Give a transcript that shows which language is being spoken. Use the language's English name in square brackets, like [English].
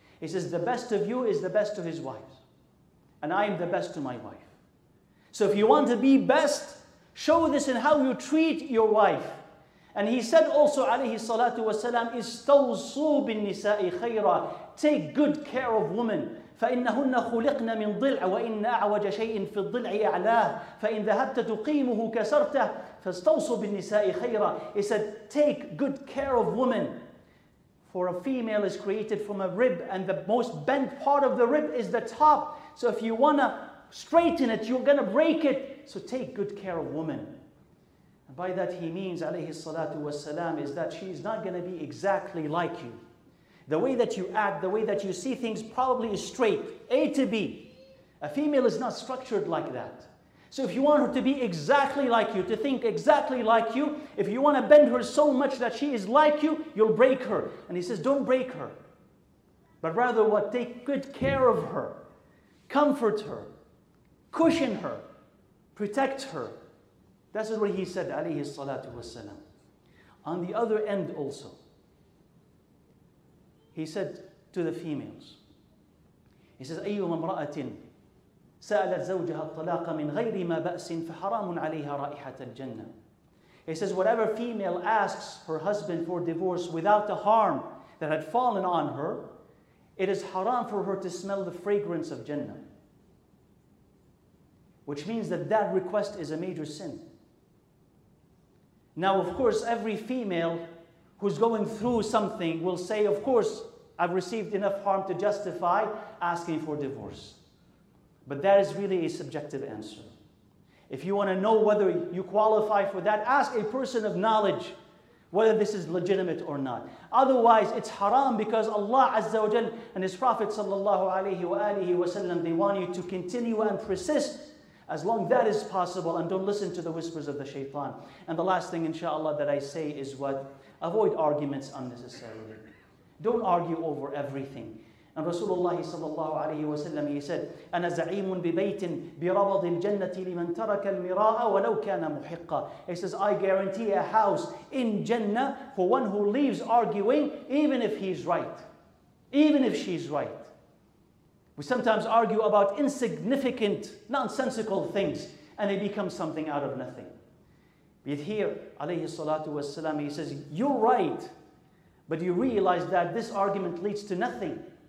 [English] He says, the best of you is the best to his wife, and I am the best to my wife. So if you want to be best, show this in how you treat your wife. And He said also, alayhi salatu wassalam, [Arabic] istawsu bin nisa'i khayra. [English] Take good care of women, [Arabic] فإنهن خلقن من ضلع وإن أعوج شيء في الضلع أعلاه فإن ذهبت تقيمه كسرته فاستوصوا بالنساء خيرا. [English] He said, take good care of women, for a female is created from a rib, and the most bent part of the rib is the top. So if you want to straighten it, you're going to break it. So take good care of women. And by that he means, [Arabic] عليه الصلاة والسلام, [English] is that she's not going to be exactly like you. The way that you act, the way that you see things probably is straight, A to B. A female is not structured like that. So if you want her to be exactly like you, to think exactly like you, if you want to bend her so much that she is like you, you'll break her. And he says, don't break her. But rather what? Take good care of her. Comfort her. Cushion her. Protect her. That's what he said, alayhi salatu wasalam. On the other end also, he said to the females, he says, [Arabic] أيما امرأة سألت زوجها الطلاق من غير ما بأس فحرام عليها رائحة الجنة. [English] He says, whatever female asks her husband for divorce without the harm that had fallen on her, it is haram for her to smell the fragrance of Jannah. Which means that that request is a major sin. Now, of course, every female who's going through something will say, of course, I've received enough harm to justify asking for divorce. But that is really a subjective answer. If you want to know whether you qualify for that, ask a person of knowledge whether this is legitimate or not. Otherwise, it's haram because Allah Azza wa Jal and His Prophet Sallallahu Alaihi Wasallam, they want you to continue and persist as long as that is possible, and don't listen to the whispers of the shaitan. And the last thing, inshallah, that I say is what? Avoid arguments unnecessarily. Don't argue over everything. And Rasulullah sallallahu alayhi wa sallam, he said, [Arabic] أَنَا زَعِيمٌ بِبَيْتٍ بِرَبَضِ الْجَنَّةِ لِمَنْ تَرَكَ الْمِرَاءَ وَلَوْ كَانَ مُحِقَّةً. [English] He says, I guarantee a house in Jannah for one who leaves arguing, even if he's right. Even if she's right. We sometimes argue about insignificant, nonsensical things, and they become something out of nothing. Yet here, alayhi salatu wasalam, he says, you're right, but you realize that this argument leads to nothing.